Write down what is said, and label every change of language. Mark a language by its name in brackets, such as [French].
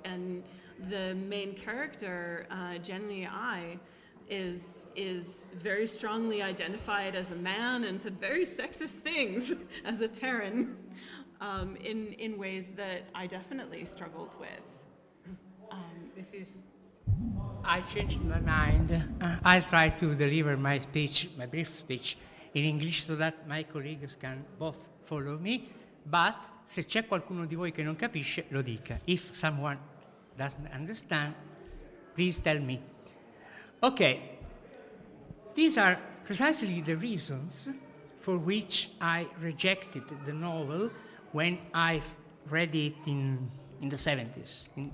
[English] And the main character, Jen Li Ai, is very strongly identified as a man and said very sexist things as a Terran in ways that I definitely struggled with. I changed my mind. I'll try to deliver my speech, my brief speech, in English so that my colleagues can both follow me. [Italian] But se c'è qualcuno di voi che non capisce, lo dica. [English] If someone doesn't understand, please tell me. Okay. These are precisely the reasons for which I rejected the novel when I read it in the 70s.